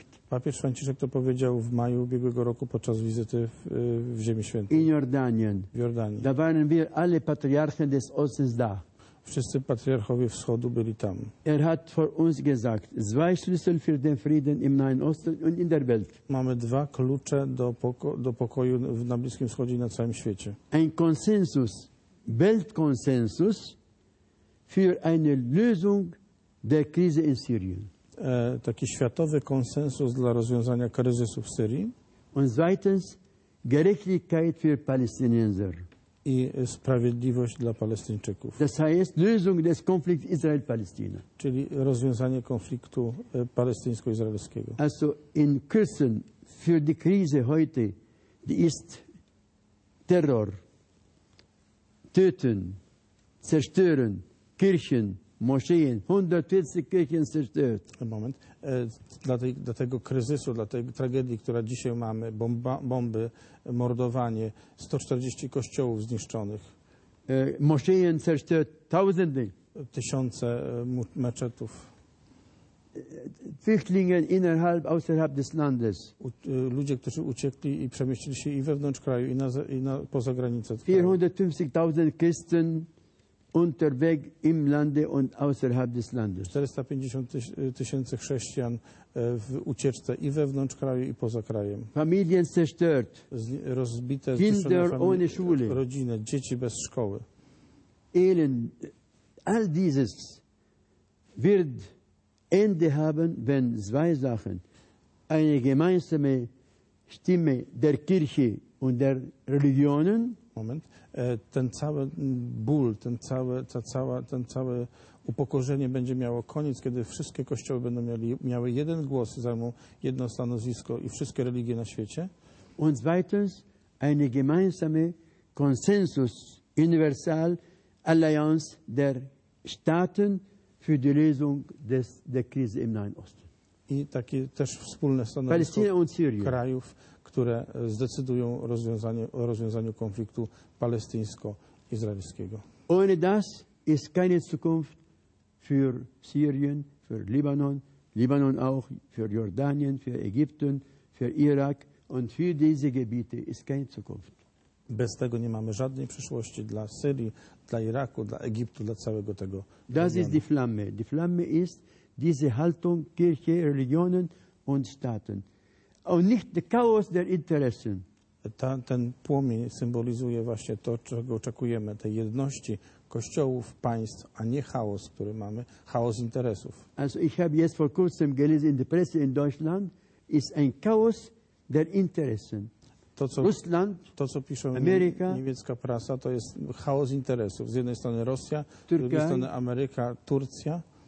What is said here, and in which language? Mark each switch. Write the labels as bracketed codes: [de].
[pl] Papież Franciszek to powiedział w maju ubiegłego roku podczas wizyty w Ziemi Świętej. [de] In Jordanien. [pl] W Jordanii. [de] Da waren wir alle Patriarchen des Ostens da. [pl] Wszyscy patriarchowie Wschodu byli tam. [de] Er hat vor uns gesagt, zwei Schlüssel für den Frieden im Nahen Osten und in der Welt. [pl] Mamy dwa klucze do pokoju na Bliskim Wschodzie i na całym świecie. [de] Ein Konsensus, Weltkonsensus für eine Lösung der Krise in Syrien. [pl] Taki światowy konsensus dla rozwiązania kryzysu w Syrii. [de] Und zweitens Gerechtigkeit für Palästinenser. [pl] I sprawiedliwość dla Palestyńczyków. [de] Das heißt Lösung des Konflikts Israel-Palästina. [pl] Czyli rozwiązanie konfliktu palestyńsko-izraelskiego. [de] Also in Kürzen für die Krise heute, die ist Terror, Töten, Zerstören, Kirchen, Moscheen, 140 Kirchen zerstört. Moment. [pl] Dla tego kryzysu, dla tej tragedii, która dzisiaj mamy, bomby, mordowanie, 140 kościołów zniszczonych. [de] Moscheen zerstört, tausende. [pl] Tysiące meczetów. [de] Flüchtlinge innerhalb, außerhalb des Landes. [pl] Ludzie, którzy uciekli i przemieścili się i wewnątrz kraju, i poza granicę. [de] 450.000 Christen unterweg im Lande und außerhalb des Landes. [pl] 450.000 chrześcijan w ucieczce i wewnątrz kraju, i poza krajem. [de] Familien zerstört. [pl] Rozbite [de] Kinder ohne Schule. [pl] Rodziny, dzieci bez szkoły. [de] Elend. All dieses wird Ende haben, wenn zwei Sachen, eine gemeinsame Stimme der Kirche und der Religionen. Moment. [pl] Ten cały ból, ten całe upokorzenie będzie miało koniec, kiedy wszystkie kościoły będą miały jeden głos, zajmą jedno stanowisko i wszystkie religie na świecie. [de] Und zweitens, eine gemeinsame Konsensus Universal Allianz der Staaten für die Lösung der Krise im Nahen Osten. [pl] I takie też wspólne stanowisko krajów, które zdecydują o rozwiązaniu konfliktu palestyńsko-izraelskiego. [de] Ohne das ist keine Zukunft für Syrien, für Libanon, Libanon auch, für Jordanien, für Ägypten, für Irak und für diese Gebiete ist keine Zukunft. [pl] Bez tego nie mamy żadnej przyszłości dla Syrii, dla Iraku, dla Egiptu, dla całego tego regionu. [de] Das ist die Flamme. Die Flamme ist diese Haltung Kirche, Religionen und Staaten. Und nicht der Chaos der Interessen. [pl] Ten płomień symbolizuje właśnie to, czego oczekujemy, tej jedności kościołów, państw, a nie chaos, który mamy, chaos interesów. [de] Also ich habe jetzt vor kurzem gelesen in der Presse in Deutschland, ist ein Chaos der Interessen. [pl] To, co pisze Ameryka, niemiecka prasa, to jest chaos interesów. Z jednej strony Rosja, Turkey, z drugiej strony Ameryka, Turcja,